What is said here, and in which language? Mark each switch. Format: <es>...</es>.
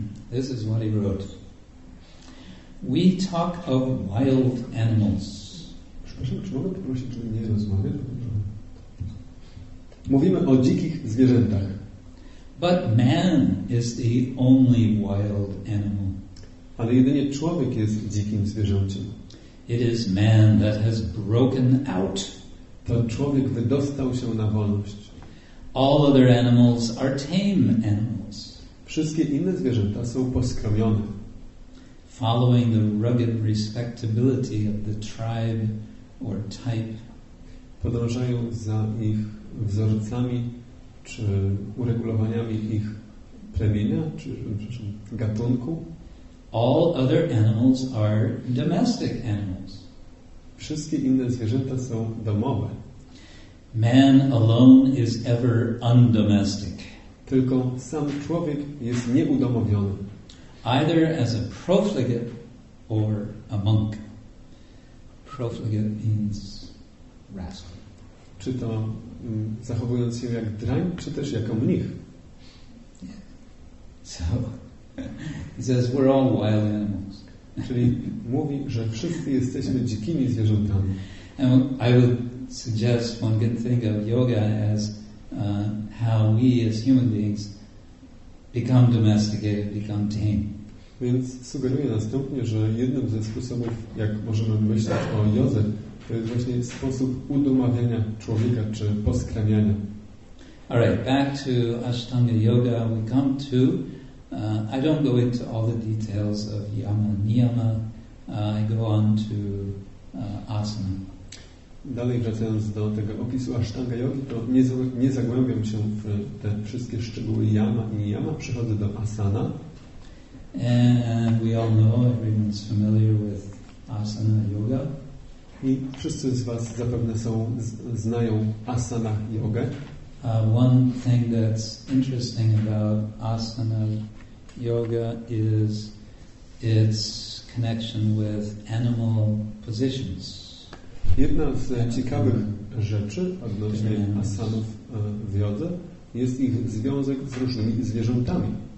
<en>this is what he wrote. We talk of wild animals.</en> <pl>Przepraszam, czy mogę poprosić, żeby nie rozmawiać? Mówimy o dzikich zwierzętach.</pl> <en>But man is the only wild animal.</en> <pl>Ale jedynie człowiek jest dzikim zwierzęciem.</pl> <en>It is man that has broken out.</en> <pl>To człowiek wydostał się na wolność.</pl> <en>All other animals are tame animals.</en> <pl>Wszystkie inne zwierzęta są poskromione.</pl> <en>Following the rugged respectability of the tribe or type.</en> <pl>Podążają za ich wzorcami czy uregulowaniami ich plemienia, czy przepraszam, gatunku.</pl> <en>All other animals are domestic animals.</en> <pl>Wszystkie inne zwierzęta są domowe.</pl> <en>Man alone is ever undomestic.</en> <pl>Tylko sam człowiek jest nieudomowiony.</pl> <en>Either as a profligate or a monk. Profligate means rascal.</en> <pl>Czy to zachowując się jak drań, czy też jako mnich?</pl> <en>Yeah. So, he says we're all wild animals.</en> <pl>Czyli mówi, że wszyscy jesteśmy dzikimi zwierzętami.</pl> <en>And I would suggest one can think of yoga as how we as human beings become domesticated, become tame.</en> <pl>Więc sugeruję następnie, że jednym ze sposobów, jak możemy myśleć o jodze, to jest właśnie sposób udomawiania człowieka, czy poskramiania.</pl> <en>All right, back to Ashtanga Yoga we come to. I don't go into all the details of yama, niyama. I go on to asana.</en> <pl>Dalej wracając do tego opisu Asztanga Jogi, to nie zagłębiam się w te wszystkie szczegóły yama i niyama, przechodzę do asana.</pl> <en>And we all know, everyone's familiar with asana yoga.</en> <pl>I wszyscy z was zapewne są znają asana yoga.</pl> <en>One thing that's interesting about asana yoga is its connection with animal positions.</en> <pl>Jedna z ciekawych rzeczy odnośnie asanów w jodze jest ich związek z różnymi zwierzętami.</pl>